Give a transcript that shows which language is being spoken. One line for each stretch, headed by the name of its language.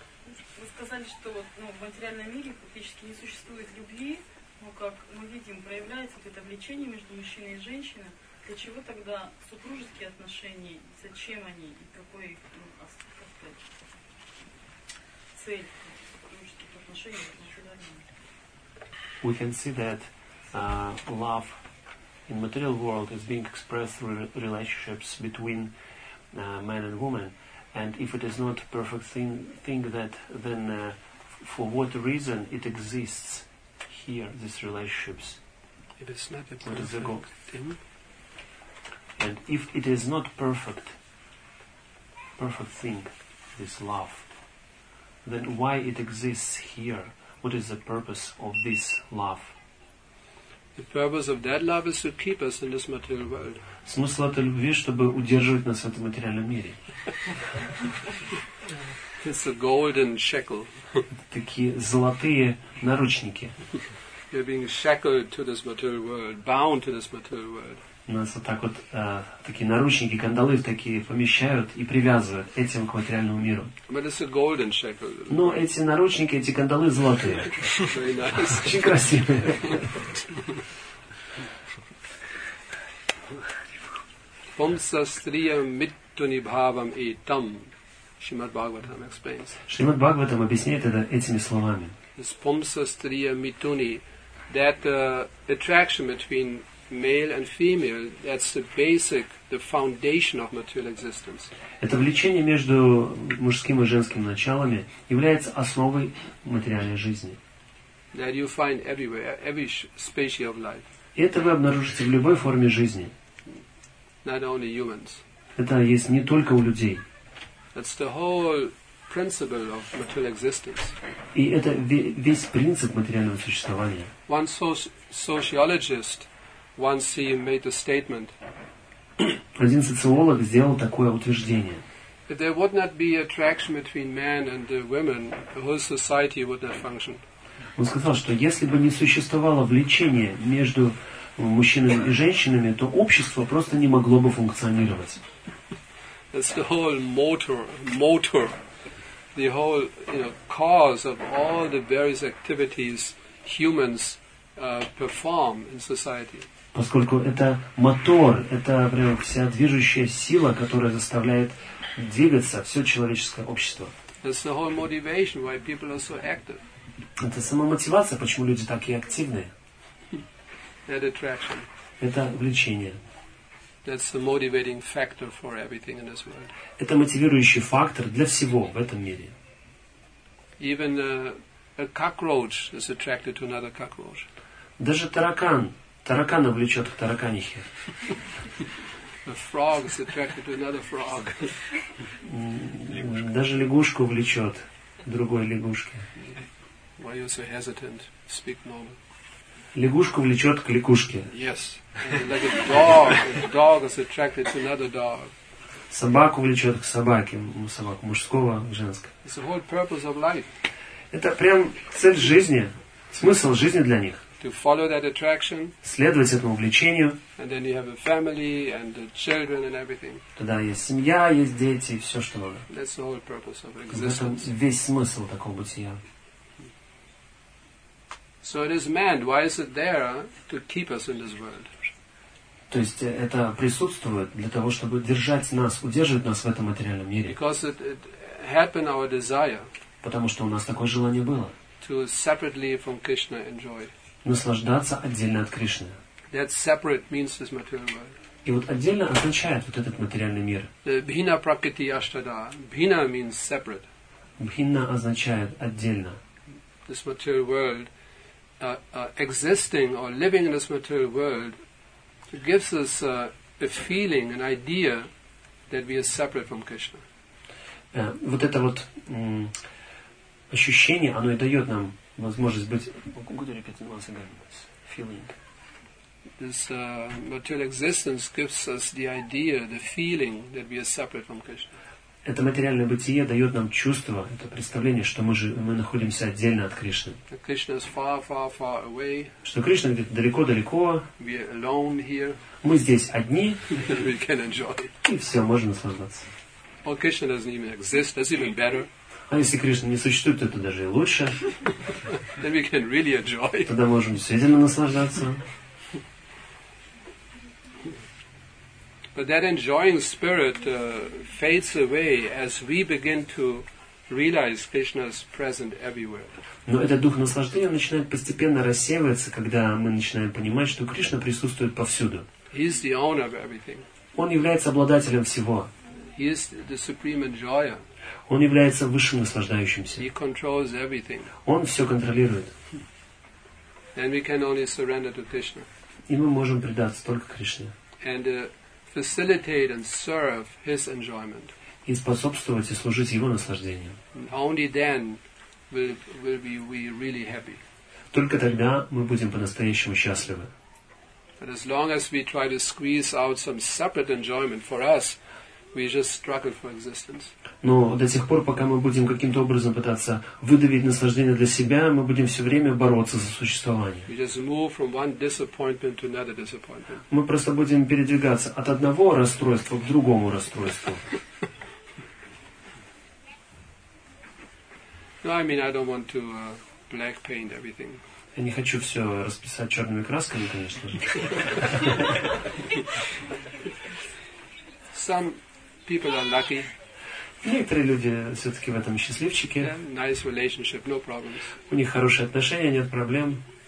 Russian: Вы сказали, что ну, в материальном мире фактически не существует любви, но как мы видим, проявляется вот это влечение между мужчиной и женщиной. Для чего тогда супружеские отношения, зачем они и какой их, ну, как сказать, цель супружеских отношений в материальном мире?
English: We can see that love in material world is being expressed through relationships between man and woman. And if it is not a perfect thing that then for what reason it exists here, these relationships? If it's not a perfect what is the goal? Thing. And if it is not perfect thing, this love, then why it exists here? What is the purpose of this love? The purpose of that love is to keep us in this material world.
Russian: Смысл этой любви, чтобы удерживать нас в этом материальном мире.
English: It's a golden shackle.
Russian: Такие золотые наручники.
English: You're being shackled to this material world, bound to this material world.
Russian: Нас вот так вот такие наручники, кандалы такие помещают и привязывают этим к материальному миру. Но эти наручники, эти кандалы золотые. Очень красивые.
Sanskrit: Pumsa Sriyam Mittuni Bhavam Itam.
English: Shrimad Bhagavatam explains.
Russian: Shrimad Bhagavatam объясняет это этими словами.
English: This
Sanskrit: Pumsa Sriyam Mittuni,
English: that attraction between male and female, that's the basic, the foundation of material existence.
Russian: Это влечение между мужским и женским началами является основой материальной жизни.
English: That you find everywhere, every species of life.
Russian: И это вы обнаружите в любой форме жизни.
English: Not only humans.
Russian: Это есть не только у людей.
English: That's the whole principle of material existence.
Russian: И это весь принцип материального существования.
English: One sociologist once he made a statement.
Russian: Один социолог сделал такое утверждение.
English: If there would not be attraction between men and women, the whole society would not function.
Russian: Он сказал, что если бы не существовало влечения между мужчинами и женщинами, то общество просто не могло бы функционировать.
English: It's the whole motor, the whole, you know, cause of all the various activities humans perform in society.
Russian: Поскольку это мотор, это прям вся движущая сила, которая заставляет двигаться все человеческое общество.
English: It's the whole motivation why people are so active.
Russian: Это сама мотивация, почему люди такие активные.
English: That attraction.
Russian: Это влечение.
English: That's the motivating factor for everything in this world.
Russian: Это мотивирующий фактор для всего в этом мире.
English: Even a cockroach is attracted to another cockroach.
Russian: Даже таракан, таракана влечет к тараканихе.
English: A frog is attracted to another frog.
Russian: Даже лягушку влечет другой лягушке.
English: Why are you so hesitant? Speak normal.
Russian: Лягушку влечет к лягушке.
English: Yes. Like a dog is attracted to another dog.
Russian: Собаку влечет к собаке, собаку мужского, женского.
English: It's the whole purpose of life.
Russian: Это прям цель жизни, смысл жизни для них.
English: To follow that attraction.
Russian: Следовать этому влечению.
English: And then you have a family and the children and everything.
Russian: Тогда есть семья, есть дети, все что надо.
English: That's the whole purpose of existence.
Russian: Это весь смысл такого бытия.
English: So it is meant. Why is it there to keep us in this world?
Russian: То есть это присутствует для того, чтобы держать нас, удерживать нас в этом материальном мире.
English: Because it happened our desire.
Russian: Потому что у нас такое желание было.
English: To separately from Krishna enjoy.
Russian: Наслаждаться отдельно от Кришны.
English: That separate means this material world.
Russian: И вот отдельно означает вот этот материальный мир.
Sanskrit: Bhina prakriti ashtada.
English: Bhina means separate.
Russian: Bhina означает отдельно.
English: This material world, existing or living in this material world, gives us a feeling, an idea that we are separate from Krishna.
Russian: Вот это вот ощущение, оно и дает нам возможность быть.
English: Good repeating once again. Feeling. This material existence gives us the idea, the feeling that we are separate from Krishna.
Russian: Это материальное бытие дает нам чувство, это представление, что мы находимся отдельно от Кришны.
English: Krishna is far, far, far away.
Russian: Что Кришна где-то далеко-далеко.
English: We are alone here.
Russian: Мы здесь одни.
English: We can enjoy.
Russian: И все, можно наслаждаться.
English: Well, Krishna doesn't even exist. That's even better.
Russian: А если Кришна не существует, то это даже и лучше.
English: Then we can really enjoy.
Russian: Тогда можем действительно наслаждаться.
English: But that enjoying spirit fades away as we begin to realize Krishna's present everywhere.
Russian: Но этот дух наслаждения начинает постепенно рассеиваться, когда мы начинаем понимать, что Кришна присутствует повсюду.
English: He is the owner of everything.
Russian: Он является обладателем всего.
English: He is the supreme enjoyer.
Russian: Он является высшим наслаждающимся.
English: He controls everything.
Russian: Он все контролирует.
English: And we can only surrender to Krishna.
Russian: И мы можем предаться только Кришне.
English: And facilitate and serve his enjoyment.
Russian: И способствовать и служить его наслаждению.
English: Only then will we be really happy.
Russian: Только тогда мы будем по-настоящему счастливы.
English: But as long as we try to squeeze out some separate enjoyment for us, we just struggle for existence.
Russian: Но до тех пор, пока мы будем каким-то образом пытаться выдавить наслаждение для себя, мы будем все время бороться за существование.
English: We just move from one disappointment to another disappointment.
Russian: Мы просто будем передвигаться от одного расстройства к другому расстройству.
English: No, I mean, I don't want to black paint everything.
Russian: Я не хочу все расписать черными красками, конечно же.
English: Some people are lucky.
Russian: Некоторые люди все-таки в этом счастливчики.
English: Yeah, nice relationship, no problems.
Russian: У них хорошие отношения, нет проблем.